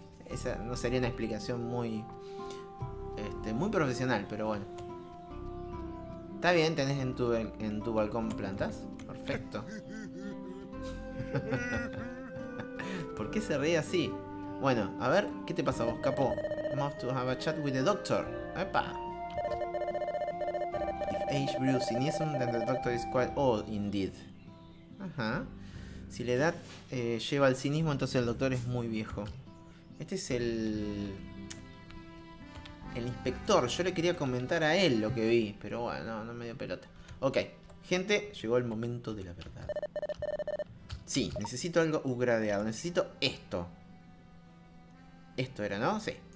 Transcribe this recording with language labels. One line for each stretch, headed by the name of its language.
Spanish: Esa no sería una explicación muy, muy profesional, pero bueno. Está bien, tenés en tu balcón plantas. Perfecto. ¿Por qué se reía así? Bueno, a ver, ¿qué te pasa a vos, capo?
English: Must to have a chat with the doctor. ¡Epa! If age brews cynicism, then the doctor is quite old indeed. Ajá.
Spanish: Si la edad lleva al cinismo, entonces el doctor es muy viejo. Este es el inspector. Yo le quería comentar a él lo que vi, pero bueno, no, no me dio pelota. Ok, gente, llegó el momento de la verdad. Sí, necesito algo upgradeado. Necesito esto. Esto era, ¿no? Sí.